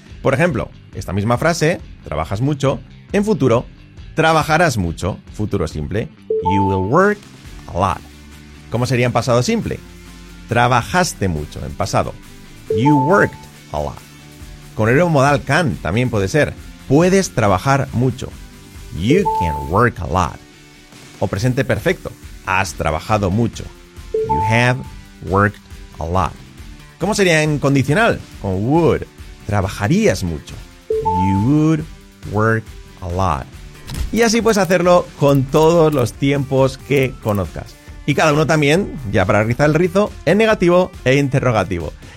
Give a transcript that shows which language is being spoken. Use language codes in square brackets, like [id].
[es] Por ejemplo, esta misma frase, trabajas mucho, en futuro, trabajarás mucho, futuro simple, [en] you will work a lot. [es] ¿Cómo sería en pasado simple? Trabajaste mucho, en pasado, [en] you worked a lot. [es] Con el modal can, también puede ser, puedes trabajar mucho, [en] you can work a lot. [es] O presente perfecto, has trabajado mucho, [en] you have worked a lot. [es] ¿Cómo sería en condicional? Con would. Trabajarías mucho. [en] You would work a lot. [es] Y así puedes hacerlo con todos los tiempos que conozcas. Y cada uno también, ya para rizar el rizo, en negativo e interrogativo.